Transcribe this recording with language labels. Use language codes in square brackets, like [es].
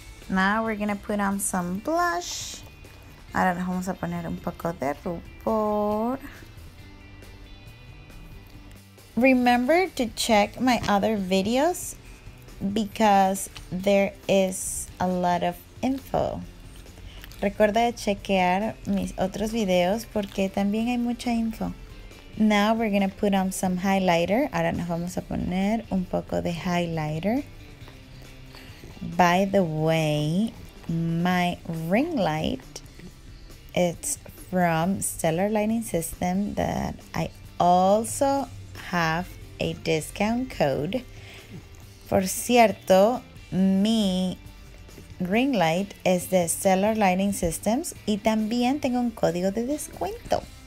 [en] Now we're gonna put on some blush. [es] Ahora vamos a poner un poco de rubor. [en] Remember to check my other videos because there is a lot of info. [es] Recuerda chequear mis otros videos porque también hay mucha info. [en] Now we're gonna put on some highlighter. [es] Ahora nos vamos a poner un poco de highlighter. [en] By the way, my ring light, it's from Stellar Lighting System that I also have a discount code. [es] Por cierto, mi ring light es de Stellar Lighting Systems y también tengo un código de descuento.